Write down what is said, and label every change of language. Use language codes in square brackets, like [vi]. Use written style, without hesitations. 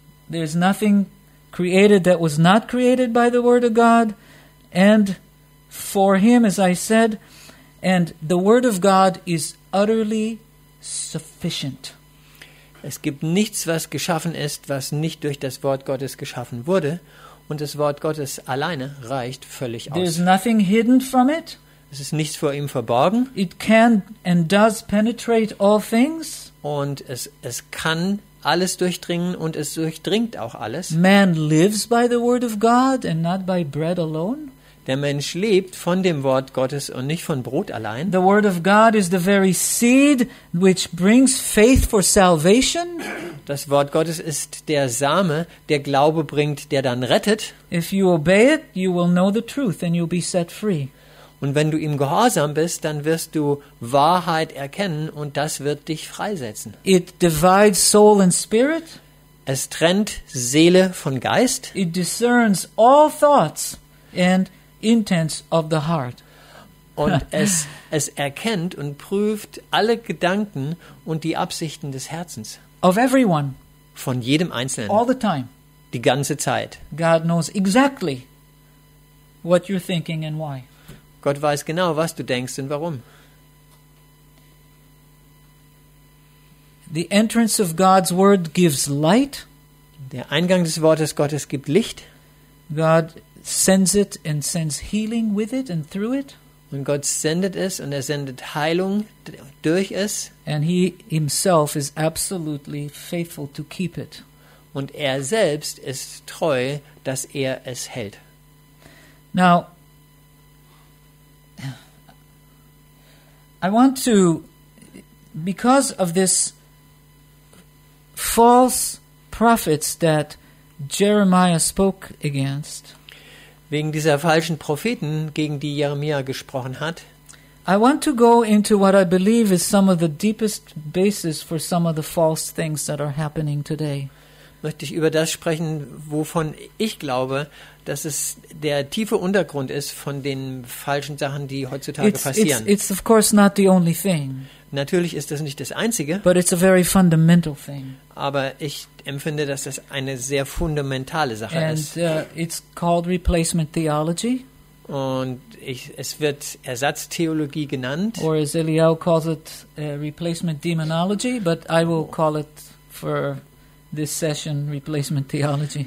[en] There's nothing created that was not created by the word of God. And for him, as I said, and the word of God is utterly sufficient. [de] Es gibt nichts, was geschaffen ist, was nicht durch das Wort Gottes geschaffen wurde, und das Wort Gottes alleine reicht völlig aus. [en] There is nothing hidden from it. [de] Es ist nichts vor ihm verborgen. [en] It can and does penetrate all things. [de] Und es kann alles durchdringen und es durchdringt auch alles. [en] Man lives by the word of God and not by bread alone. [de] Der Mensch lebt von dem Wort Gottes und nicht von Brot allein. [en] The word of God is the very seed which brings faith for salvation. [de] Das Wort Gottes ist der Same, der Glaube bringt, der dann rettet. [en] If you obey it, you will know the truth and you'll be set free. [de] Und wenn du ihm gehorsam bist, dann wirst du Wahrheit erkennen und das wird dich freisetzen. [en] It divides soul and spirit. [de] Es trennt Seele von Geist. [en] It discerns all thoughts and intents of the heart. [de] Und es erkennt und prüft alle Gedanken und die Absichten des Herzens. [en] Of everyone. [de] Von jedem Einzelnen. [en] All the time. [de] Die ganze Zeit. [en] God knows exactly what you're thinking and why. [de] Gott weiß genau, was du denkst und warum. [en] The entrance of God's word gives light. [de] Der Eingang des Wortes Gottes gibt Licht. [en] God sends it and sends healing with it and through it. [de] Und Gott sendet es und er sendet Heilung durch es. [en] And he himself is absolutely faithful to keep it. [de] Und er selbst ist treu, dass er es hält. [en] Now, I want to, because of this false prophets that Jeremiah spoke against, [de] wegen dieser falschen Propheten, gegen die Jeremia gesprochen hat, [en] I want to go into what I believe is some of the deepest basis for some of the false things that are happening today. [de] Möchte ich über das sprechen, wovon ich glaube, dass es der tiefe Untergrund ist von den falschen Sachen, die heutzutage passieren. [en] It's of course not the only thing. [de] Natürlich ist das nicht das Einzige. [en] But it's a very fundamental thing. [de] Aber ich empfinde, dass das eine sehr fundamentale Sache ist. [en] It's called replacement theology. [de] Und es wird Ersatztheologie genannt. [en] Or as Eliel calls it, replacement demonology, but I will call it for this session replacement theology.